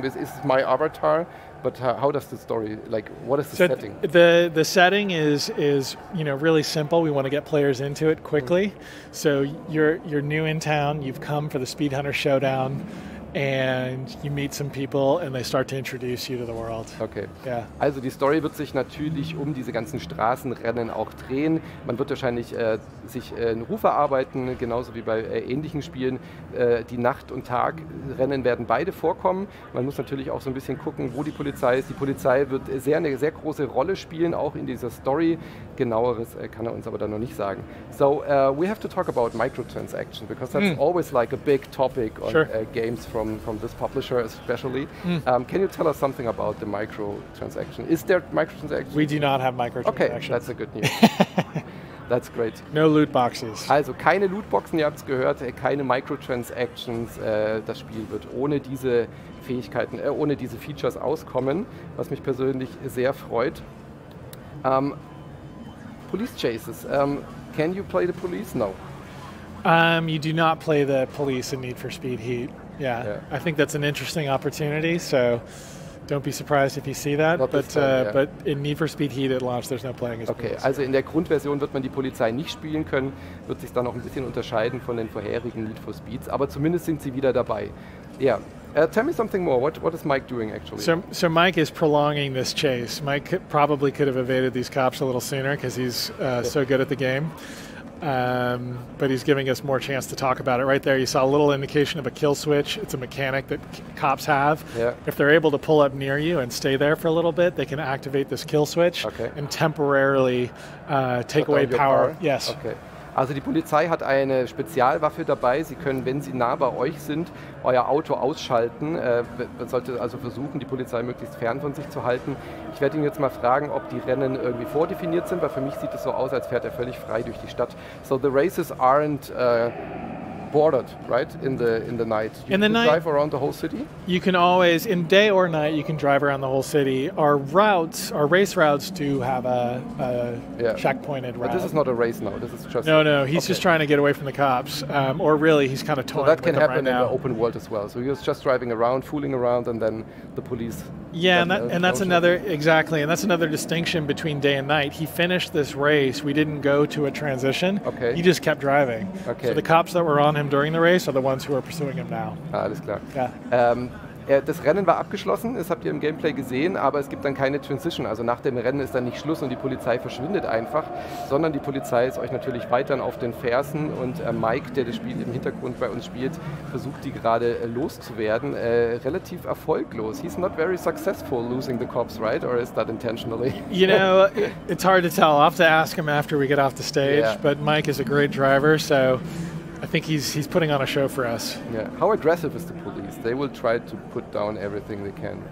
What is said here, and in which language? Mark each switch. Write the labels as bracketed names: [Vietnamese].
[English] This is my avatar, but how does the story, like, what is the setting? The setting is you know, really simple. We want to get players into it quickly. Mm-hmm. So you're new in town, you've come for the Speed Hunter Showdown, and you meet some people and they start to introduce you to the world. Okay. Yeah. [German] Also die Story wird sich natürlich um diese ganzen Straßenrennen auch drehen. Man wird wahrscheinlich sich einen Ruf erarbeiten, genauso wie bei ähnlichen Spielen. Die Nacht- und Tagrennen werden beide vorkommen. Man muss natürlich auch so ein bisschen gucken, wo die Polizei ist. Die Polizei wird eine sehr große Rolle spielen, auch in dieser Story. Genaueres kann er uns aber dann noch nicht sagen. [English] So, we have to talk about microtransactions, because that's always like a big topic on games from this publisher especially. Can you tell us something about the microtransaction? Is there microtransactions? We do not have microtransactions. Okay, that's a good news. That's great. No loot boxes. [German] Also keine Lootboxen, ihr habt es gehört, keine Microtransactions. Das Spiel wird ohne diese Fähigkeiten, ohne diese Features auskommen, was mich persönlich sehr freut. [English] Police chases. Can you play the police? No. You do not play the police in Need for Speed Heat. Yeah. I think that's an interesting opportunity. So Don't be surprised if you see that, but in Need for Speed Heat at launch, there's no playing as okay, police. [German] Also in der Grundversion wird man die Polizei nicht spielen können, wird sich dann auch ein bisschen unterscheiden von den vorherigen Need for Speeds, aber zumindest sind sie wieder dabei. [English] Yeah. Tell me something more. What is Mike doing, actually? So Mike is prolonging this chase. Mike probably could have evaded these cops a little sooner because he's so good at the game. But he's giving us more chance to talk about it. Right there, you saw a little indication of a kill switch. It's a mechanic that cops have. Yeah. If they're able to pull up near you and stay there for a little bit, they can activate this kill switch and temporarily take away power. Yes. [German] Okay. Also die Polizei hat eine Spezialwaffe dabei. Sie können, wenn sie nah bei euch sind, euer Auto ausschalten. Man sollte also versuchen, die Polizei möglichst fern von sich zu halten. Ich werde ihn jetzt mal fragen, ob die Rennen irgendwie vordefiniert sind, weil für mich sieht es so aus, als fährt er völlig frei durch die Stadt. [English] So the races aren't bordered, right? In the night. You can drive around the whole city? You can always, in day or night, you can drive around the whole city. Our race routes do have a checkpointed route. But this is not a race now, this is just... No, he's just trying to get away from the cops. Or really, he's kind of toying with them right now. That can happen in the open world as well. So you're just driving around, fooling around, and then the police... Yeah, and that's another distinction between day and night. He finished this race. We didn't go to a transition. Okay. He just kept driving. Okay. So the cops that were on him during the race are the ones who are pursuing him now. [German] Alles klar. [English] Yeah. [German] Das Rennen war abgeschlossen, das habt ihr im Gameplay gesehen, aber es gibt dann keine Transition. Also nach dem Rennen ist dann nicht Schluss und die Polizei verschwindet einfach, sondern die Polizei ist euch natürlich weiterhin auf den Fersen und Mike, der das Spiel im Hintergrund bei uns spielt, versucht die gerade loszuwerden. Relativ erfolglos. [English] He's not very successful losing the cops, right? Or is that intentionally? You know, it's hard to tell. I'll have to ask him after we get off the stage, but Mike is a great driver, so... I think he's putting on a show for us. Yeah. How aggressive is the police? They will try to put down everything they can.